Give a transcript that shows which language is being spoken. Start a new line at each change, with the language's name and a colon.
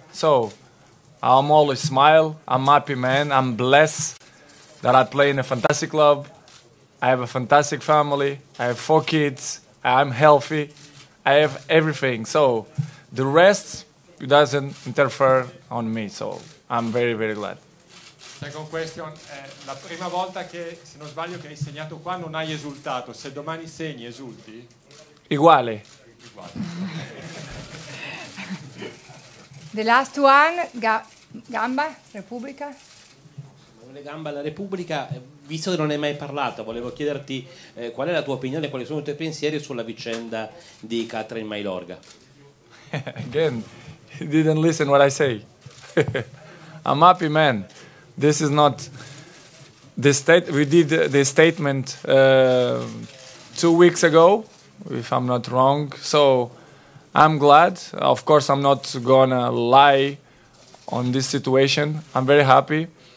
English: So, I'm always smile, I'm happy man, I'm blessed that I play in a fantastic club, I have a fantastic family, I have 4 kids, I'm healthy, I have everything. So the rest doesn't interfere on me, so I'm very, very glad. Second question,
Italian: la prima volta che, se non sbaglio, che hai segnato qua non hai esultato, se domani segni esulti?
Portuguese: Iguale.
English: The last one, Gamba, Repubblica.
Italian: Le gambe alla Repubblica, visto che non hai mai parlato, volevo chiederti qual è la tua opinione, quali sono i tuoi pensieri sulla vicenda di Katrin Mailorga.
English: Again, he didn't listen what I say. I'm happy man, this is not the state. We did the statement 2 weeks ago, if I'm not wrong, so I'm glad. Of course I'm not gonna lie on this situation. I'm very happy.